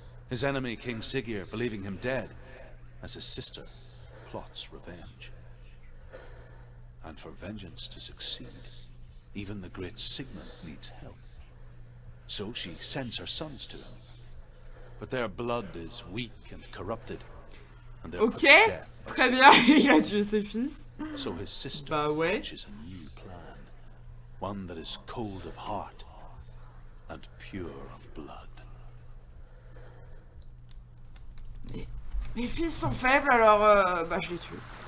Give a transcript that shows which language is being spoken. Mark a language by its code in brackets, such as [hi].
[en] His enemy, King Siggeir, believing him dead, as his sister plots revenge. And for vengeance to succeed, even the great Sigmund needs help. So she sends her sons to him. But their blood is weak and corrupted, and they're put to death. [fr] Okay, très bien, il a tué ses fils. [en] So his sister hatches a new plan, one that is cold of heart and pure of blood. [fr] Mes fils sont faibles, alors bah, je les tue.